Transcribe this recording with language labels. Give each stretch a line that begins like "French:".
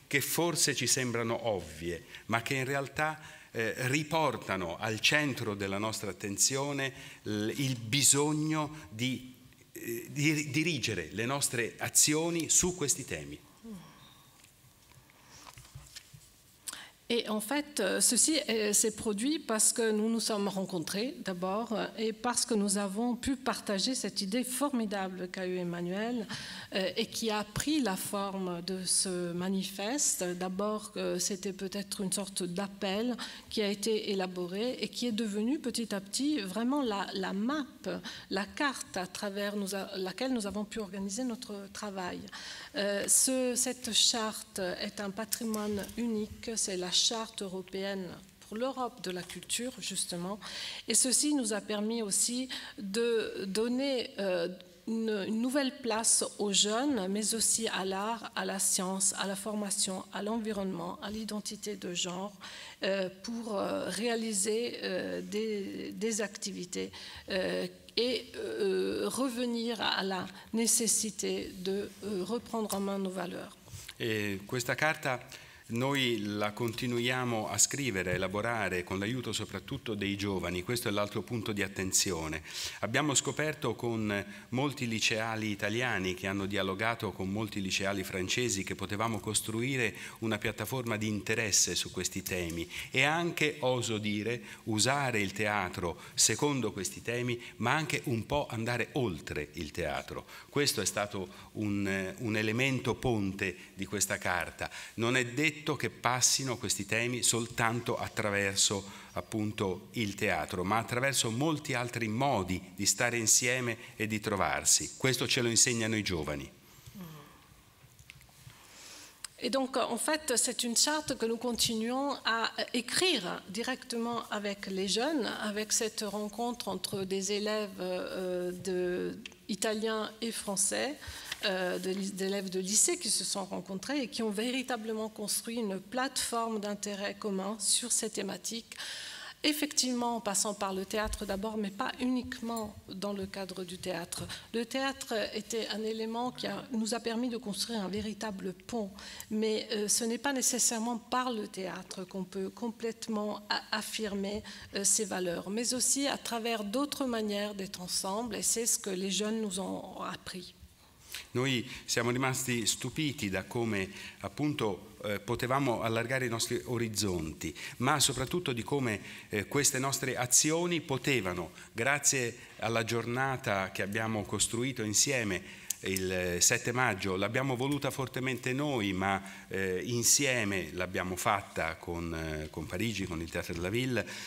Italian: che forse ci sembrano ovvie, ma che in realtà riportano al centro della nostra attenzione il bisogno di dirigere le nostre azioni su questi temi.
French: Et en fait, ceci s'est produit parce que nous nous sommes rencontrés d'abord et parce que nous avons pu partager cette idée formidable qu'a eu Emmanuel et qui a pris la forme de ce manifeste. D'abord, c'était peut-être une sorte d'appel qui a été élaboré et qui est devenu petit à petit vraiment la map, la carte à travers laquelle nous avons pu organiser notre travail. Cette charte est un patrimoine unique, c'est la charte européenne pour l'Europe de la culture, justement. Et ceci nous a permis aussi de donner une nouvelle place aux jeunes, mais aussi à l'art, à la science, à la formation, à l'environnement, à l'identité de genre, pour réaliser des activités et revenir à la nécessité de reprendre en main nos valeurs.
Italian: Et questa carta, noi la continuiamo a scrivere, a elaborare con l'aiuto soprattutto dei giovani. Questo è l'altro punto di attenzione. Abbiamo scoperto con molti liceali italiani che hanno dialogato con molti liceali francesi che potevamo costruire una piattaforma di interesse su questi temi e anche, oso dire, usare il teatro secondo questi temi, ma anche un po' andare oltre il teatro. Questo è stato un elemento ponte di questa carta. Non è detto che passino questi temi soltanto attraverso appunto il teatro, ma attraverso molti altri modi di stare insieme e di trovarsi. Questo ce lo insegnano i giovani.
French: Et donc, en fait, c'est une charte que nous continuons à écrire directement avec les jeunes, avec cette rencontre entre des élèves italiens et français, d'élèves de lycée qui se sont rencontrés et qui ont véritablement construit une plateforme d'intérêt commun sur ces thématiques. Effectivement, en passant par le théâtre d'abord, mais pas uniquement dans le cadre du théâtre. Le théâtre était un élément qui nous a permis de construire un véritable pont, mais ce n'est pas nécessairement par le théâtre qu'on peut complètement affirmer ces valeurs, mais aussi à travers d'autres manières d'être ensemble, et c'est ce que les jeunes nous ont appris.
Italian: Noi siamo rimasti stupiti da come appunto potevamo allargare i nostri orizzonti, ma soprattutto di come queste nostre azioni potevano, grazie alla giornata che abbiamo costruito insieme il 7 maggio, l'abbiamo voluta fortemente noi, ma insieme l'abbiamo fatta con Parigi, con il Teatro della Ville.